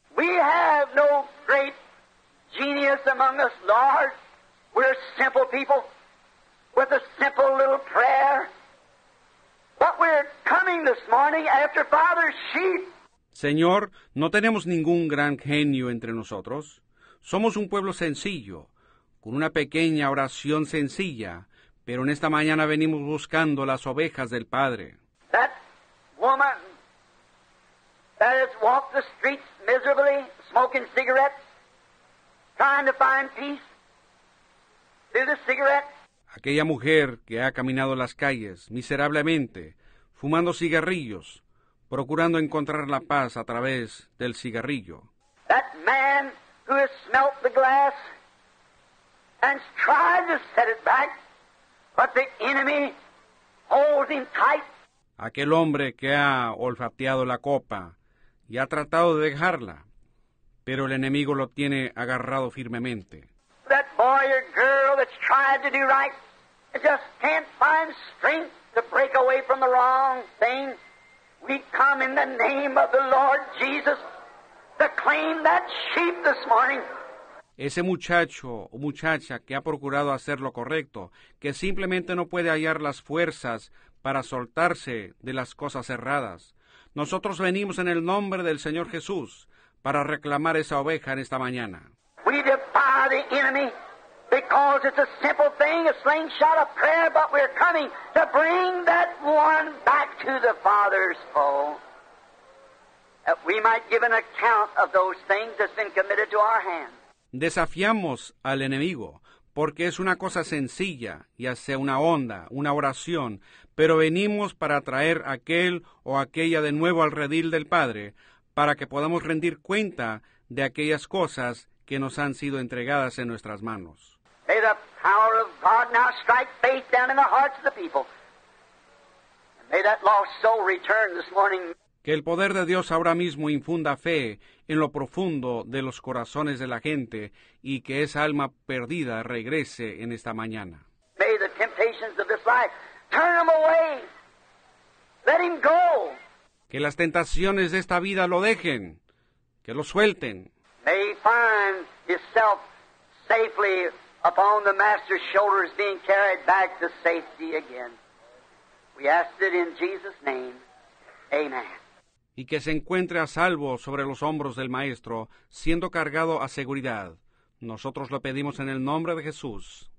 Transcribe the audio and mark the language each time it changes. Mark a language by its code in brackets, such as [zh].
[en] We have no great genius among us, Lord. We're simple people. With a simple little prayer. But we're coming this morning after Father's sheep. [es] Señor, no tenemos ningún gran genio entre nosotros. Somos un pueblo sencillo, con una pequeña oración sencilla, pero en esta mañana venimos buscando las ovejas del Padre. [en] That woman that has walked the streets miserably, smoking cigarettes, trying to find peace through the cigarette. [es] Aquella mujer que ha caminado las calles miserablemente, fumando cigarrillos, procurando encontrar la paz a través del cigarrillo. [en] That man who has smelt the glass and tried to set it back, but the enemy holds him tight. [es] Aquel hombre que ha olfateado la copa y ha tratado de dejarla, pero el enemigo lo tiene agarrado firmemente. [en] That boy or girl that's tried to do right, just can't find strength to break away from the wrong thing. We come in the name of the Lord Jesus to claim that sheep this morning. [es] Ese muchacho o muchacha que ha procurado hacer lo correcto, que simplemente no puede hallar las fuerzas para soltarse de las cosas erradas. Nosotros venimos en el nombre del Señor Jesús para reclamar esa oveja en esta mañana. [en] We defy the enemy. Because it's a simple thing, a slingshot of prayer, but we're coming to bring that one back to the Father's fold. That we might give an account of those things that's been committed to our hands. [es] Desafiamos al enemigo, porque es una cosa sencilla, ya sea una onda, una oración, pero venimos para traer aquel o aquella de nuevo al redil del Padre, para que podamos rendir cuenta de aquellas cosas que nos han sido entregadas en nuestras manos. [en] May the power of God now strike faith down in the hearts of the people. And may that lost soul return this morning. [es] Que el poder de Dios ahora mismo infunda fe en lo profundo de los corazones de la gente y que esa alma perdida regrese en esta mañana. [en] May the temptations of this life turn him away. Let him go. [es] Que las tentaciones de esta vida lo dejen, que lo suelten. [en] May he find himself safely upon the Master's shoulders, being carried back to safety again. We ask it in Jesus' name. Amen. [es] Y que se encuentre a salvo sobre los hombros del Maestro, siendo cargado a seguridad. Nosotros lo pedimos en el nombre de Jesús.